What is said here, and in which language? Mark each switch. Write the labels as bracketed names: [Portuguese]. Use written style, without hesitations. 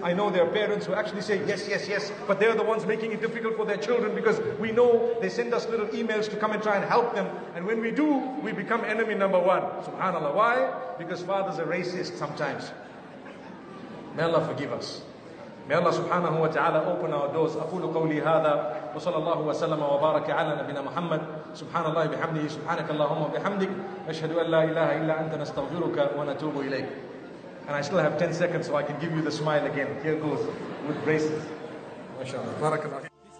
[English] I know there are parents who actually say yes, yes, yes, but they're the ones making it difficult for their children, because we know they send us little emails to come and try and help them. And when we do, we become enemy number one. SubhanAllah. Why? Because fathers are racist sometimes. May Allah forgive us. May Allah subhanahu wa ta'ala open our doors. [Arabic] أقول قولي هذا وصلى الله وسلم وبارك على نبينا محمد سبحان الله بحمده سبحانك اللهم وبحمدك أشهد أن لا إله إلا أنت نستغفرك ونتوب إليك. [English] And I still have 10 seconds so I can give you the smile again. Here goes with braces. MashaAllah.